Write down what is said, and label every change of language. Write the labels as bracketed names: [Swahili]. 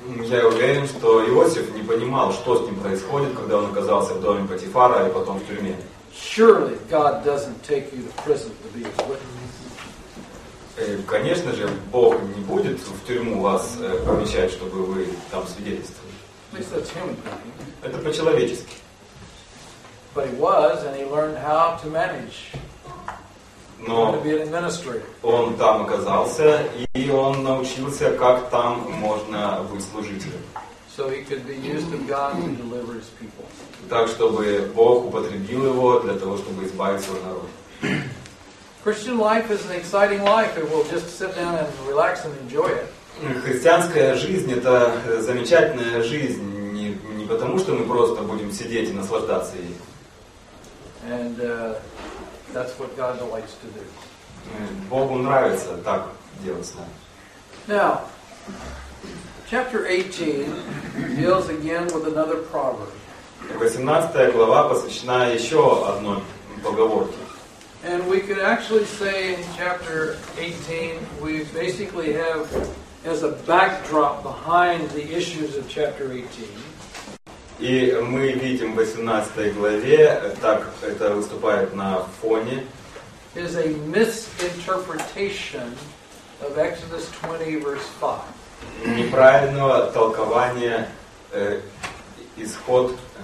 [Russian] Я уверен, что Иосиф не понимал, что с ним происходит, когда он оказался в доме Потифара и потом в тюрьме. [English] Surely God doesn't take you to prison to be a witness. [Russian] Конечно же, Бог не будет в тюрьму вас помещать, чтобы вы там свидетельствовали. [English] Please, that's human. [Russian] Это по-человечески. [English] But he was, and he learned how to manage. [Russian] Но [English] to be an administrator. [Russian] Он там оказался, и он научился, как там можно быть служителем. [English] So he could be used of God to deliver his people. [Russian] Так, чтобы Бог употребил его для того, чтобы избавить свой народ. [English] Christian life is an exciting life. It will just sit down and relax and enjoy it. [Russian] Христианская жизнь – это замечательная жизнь. Не потому, что мы просто будем сидеть и наслаждаться ей. [English] And that's what God delights to do. [Russian] Богу нравится так делать с нами. [English] Now, chapter 18 deals again with another proverb. [Russian] 18 глава посвящена еще одной поговорке. [English] And we could actually say in chapter 18 we basically have as a backdrop behind the issues of chapter 18. [Russian] И мы видим в 18 главе, так это выступает на фоне, [English] is a misinterpretation of Exodus 20 verse 5. [Russian] Неправильного толкования исход.